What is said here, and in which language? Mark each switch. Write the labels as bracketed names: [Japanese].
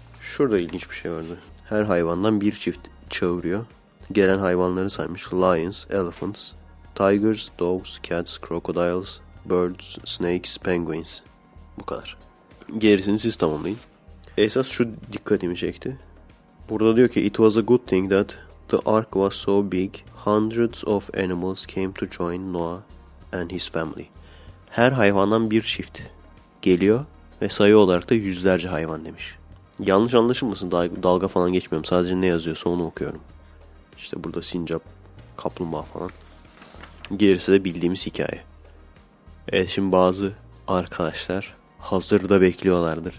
[Turkish] Şurada ilginç bir şey vardı. Her hayvandan bir çift çağırıyor. Gelen hayvanları saymış. [English] Lions, elephants, tigers, dogs, cats, crocodiles, birds, snakes, penguins. [Turkish] Bu kadar. Gerisini siz tamamlayın. Esas şu dikkatimi çekti. Burada diyor ki, [English] it was a good thing that the ark was so big, hundreds of animals came to join Noah and his family. [Turkish] Her hayvandan bir çift geliyor ve sayı olarak da yüzlerce hayvan demiş. Yanlış anlaşılmasın, dalga falan geçmiyorum. Sadece ne yazıyorsa onu okuyorum. İşte burada sincap, kaplumbağa falan. Gerisi de bildiğimiz hikaye. Evet, şimdi bazı arkadaşlar hazırda bekliyorlardır.